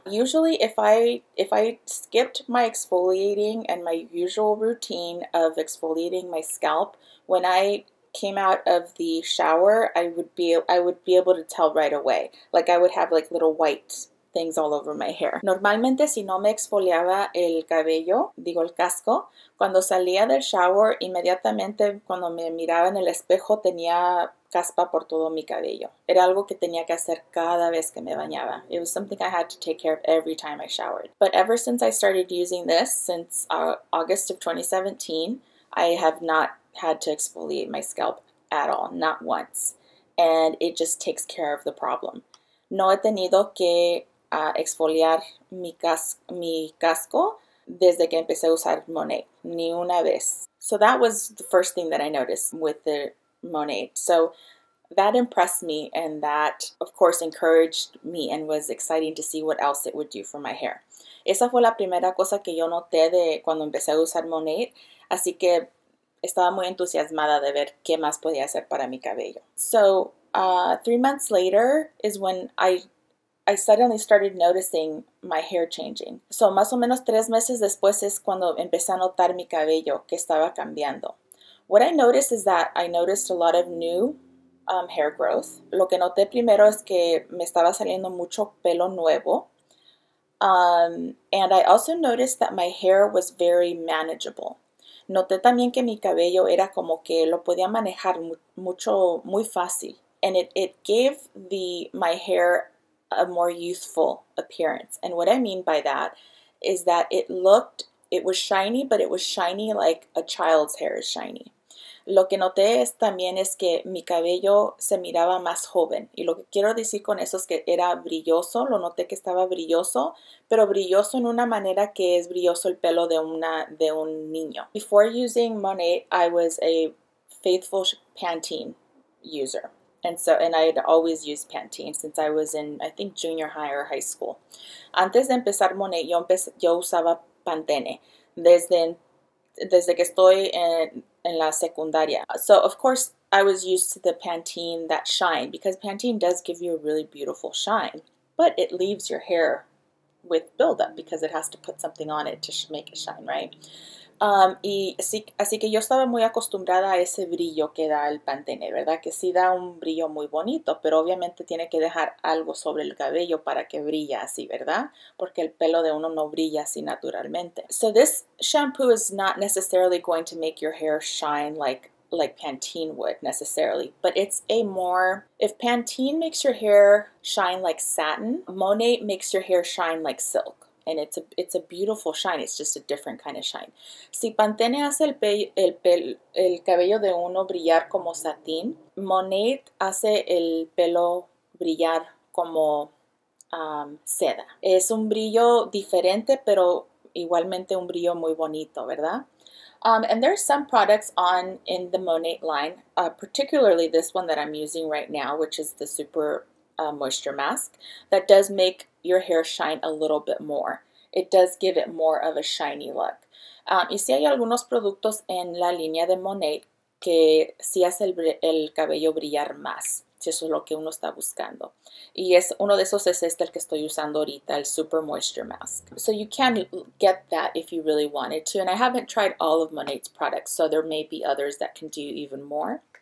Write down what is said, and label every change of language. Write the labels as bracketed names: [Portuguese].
[English] Usually, if I skipped my exfoliating and my usual routine of exfoliating my scalp, when I came out of the shower, I would be able to tell right away. Like I would have like little white things all over my hair. [Spanish] Normalmente si no me exfoliaba el cabello, digo el casco, cuando salía del shower, inmediatamente cuando me miraba en el espejo tenía caspa por todo mi cabello. Era algo que tenía que hacer cada vez que me bañaba. [English] It was something I had to take care of every time I showered. But ever since I started using this, since August of 2017, I have not had to exfoliate my scalp at all, not once. And it just takes care of the problem. [Spanish] No he tenido que exfoliar mi casco desde que empecé a usar Monat, ni una vez. [English] So that was the first thing that I noticed with the Monat. So that impressed me, and that, of course, encouraged me and was exciting to see what else it would do for my hair. [Spanish] Esa fue la primera cosa que yo noté de cuando empecé a usar Monat, así que estaba muy entusiasmada de ver qué más podía hacer para mi cabello. [English] So 3 months later is when I suddenly started noticing my hair changing. [Spanish] So más o menos 3 meses después es cuando empecé a notar mi cabello que estaba cambiando. [English] What I noticed is that I noticed a lot of new hair growth. [Spanish] Lo que noté primero es que me estaba saliendo mucho pelo nuevo. [English] And I also noticed that my hair was very manageable. [Spanish] Noté también que mi cabello era como que lo podía manejar mucho, muy fácil. [English] And it gave my hair a more youthful appearance. And what I mean by that is that it was shiny, but it was shiny like a child's hair is shiny. [Spanish] Lo que noté es también es que mi cabello se miraba más joven. Y lo que quiero decir con eso es que era brilloso. Lo noté que estaba brilloso, pero brilloso en una manera que es brilloso el pelo de un niño. [English] Before using Monat, I was a faithful Pantene user. And I had always used Pantene since I was in, I think, junior high or high school. [Spanish] Antes de empezar Monet, yo usaba Pantene desde que estoy en la secundaria. [English] So, of course, I was used to the Pantene that shine because Pantene does give you a really beautiful shine, but it leaves your hair with buildup because it has to put something on it to make it shine, right? [Spanish] Y así que yo estaba muy acostumbrada a ese brillo que da el Pantene, ¿verdad? Que sí da un brillo muy bonito, pero obviamente tiene que dejar algo sobre el cabello para que brille así, ¿verdad? Porque el pelo de uno no brilla así naturalmente. [English] So this shampoo is not necessarily going to make your hair shine like Pantene would necessarily, but it's a more, if Pantene makes your hair shine like satin, Monat makes your hair shine like silk. And it's a beautiful shine. It's just a different kind of shine. [Spanish] Si Pantene hace el cabello de uno brillar como satín, Monet hace el pelo brillar como seda. Es un brillo diferente, pero igualmente un brillo muy bonito, ¿verdad? [English] And there are some products on in the Monet line, particularly this one that I'm using right now, which is the Super Moisture Mask, that does make your hair shine a little bit more. It does give it more of a shiny look. [Spanish] Y si hay algunos productos en la línea de Monet que sí hace el cabello brillar más, si eso es lo que uno está buscando. Y es uno de esos es este el que estoy usando ahorita, el Super Moisture Mask. [English] So you can get that if you really wanted to. And I haven't tried all of Monet's products, so there may be others that can do even more.